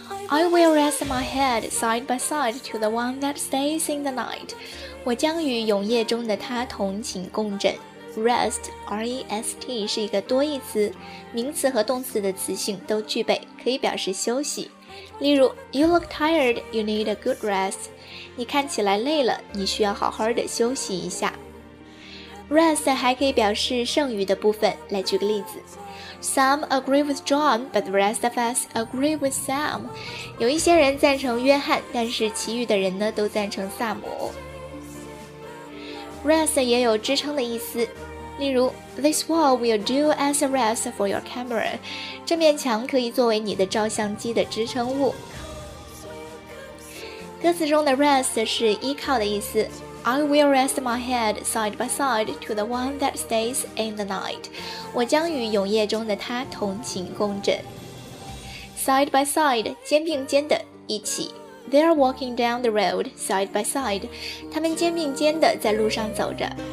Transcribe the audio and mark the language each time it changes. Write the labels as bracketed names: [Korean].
[English] I will rest my head side by side to the one that stays in the night. [Chinese] 我将与永夜中的他同寝共枕。 Rest, R-E-S-T, 是一个多义词，名词和动词的词性都具备，可以表示休息。例如 [English] You look tired, you need a good rest. [Chinese] 你看起来累了，你需要好好的休息一下。 Rest 还可以表示剩余的部分，来举个例子。 [English] Some agree with John, but the rest of us agree with Sam. [Chinese] 有一些人赞成约翰，但是其余的人呢都赞成萨姆。 Rest 也有支撑的意思，例如 [English] This wall will do as a rest for your camera. [Chinese] 这面墙可以作为你的照相机的支撑物。歌词中的 rest 是依靠的意思。 [English] I will rest my head side by side to the one that stays in the night. [Chinese] 我将与永夜中的他同寝共枕。 [English] Side by side, [Chinese] 肩并肩的，一起。 [English] They are walking down the road, side by side. [Chinese] 他们肩并肩地在路上走着。